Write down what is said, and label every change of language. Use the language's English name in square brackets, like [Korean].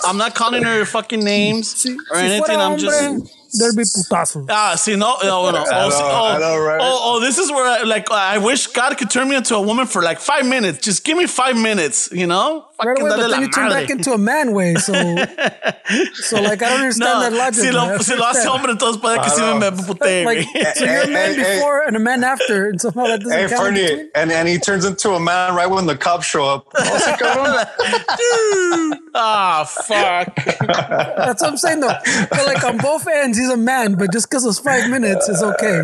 [English] I'm not calling her fucking names or anything. I'm just. There'd be putazo. This is where I wish God could turn me into a woman for like 5 minutes. Just give me 5 minutes, you know? Right away, but then you turn back into a man way. So like, I don't understand that logic. [Spanish] Si lo hace hombre, entonces puede que sí me pute. [English] So you're a man before and a man after. And somehow that doesn't count. Fernie, and he turns into a man right when the cops show up. Ah, fuck. That's what I'm saying, though. But like, on both ends, he's a man, but just because it's 5 minutes, it's okay.